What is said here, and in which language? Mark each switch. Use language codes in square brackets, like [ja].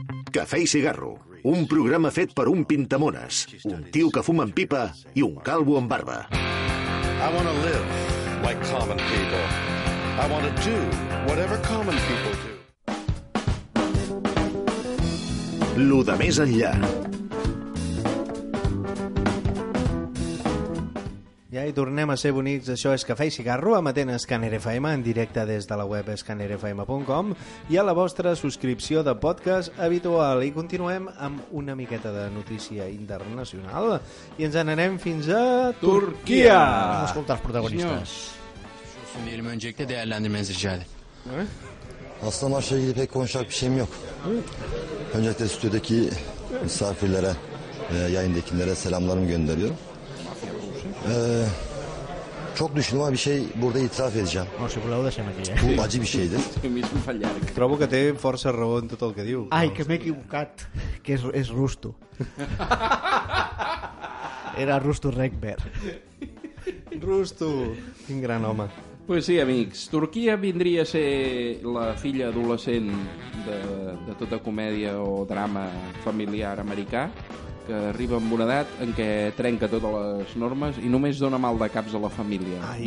[ca] Cafè i cigarro, un programa fet per un pintamones, un tio que fuma amb pipa i un calvo amb barba. [en] I want to live like common people. I want to do whatever common people do. [ca] Lo de més enllà. Ja hi tornem a ser bonics. Això és Cafè i Cigarro, emetent Scanner FM en directe des de la web scannerfm.com i a la vostra subscripció de podcast habitual. I continuem amb una miqueta de notícia internacional i ens n'anem fins a Turquia. Vam escoltar els protagonistes. [tr] Aslında maçla ilgili pek konuşacak bir şeyim yok. Öncelikle stüdyodaki misafirlere, yayındakilere selamlarımı gönderiyorum. Çok düşündüm ama bir şey burada itiraf edeceğim. Bu acı bir şeydir. [ca] Trobo que té força raó en tot el que diu. Ai, que m'he equivocat. Que és Rusto. Era Rusto Rekber. Rusto. Quin gran home. Pues sí, amics. Turquia vindria a ser la filla adolescent de tota comèdia o drama familiar americà, que arriba amb una edat en què trenca totes les normes i només dona mal de caps a la família. Ai.